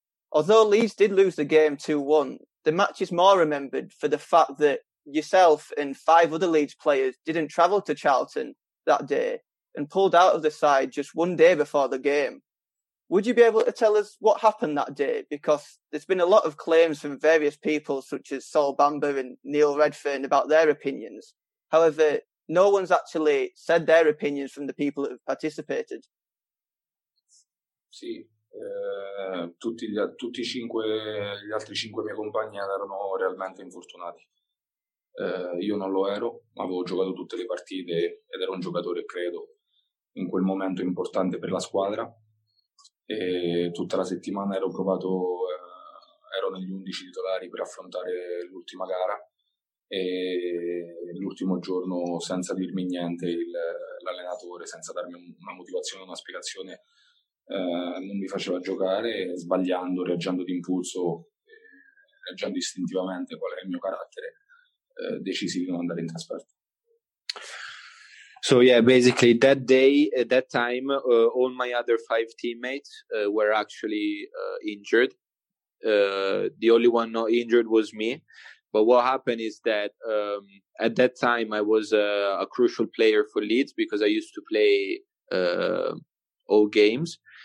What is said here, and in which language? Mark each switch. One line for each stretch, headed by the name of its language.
English: Although Leeds did lose the game 2-1, the match is more remembered for the fact that yourself and five other Leeds players didn't travel to Charlton that day and pulled out of the side just one day before the game. Would you be able to tell us what happened that day? Because there's been a lot of claims from various people, such as Saul Bamba and Neil Redfern, about their opinions. However, no one's actually said their opinions from the people that have participated.
Italian: Sì, tutti cinque, gli altri cinque miei compagni erano realmente infortunati. Io non lo ero, ma avevo giocato tutte le partite ed ero un giocatore, credo, in quel momento importante per la squadra. E tutta la settimana ero provato, ero negli 11 titolari per affrontare l'ultima gara, e l'ultimo giorno, senza dirmi niente, l'allenatore, senza darmi una motivazione, una spiegazione, non mi faceva giocare, sbagliando, reagendo d'impulso, reagendo istintivamente qual è il mio carattere, decisi di non andare in trasferta.
English: So yeah, basically that day, at that time, all my other five teammates were actually injured. The only one not injured was me. But what happened is that at that time I was a crucial player for Leeds, because I used to play all games.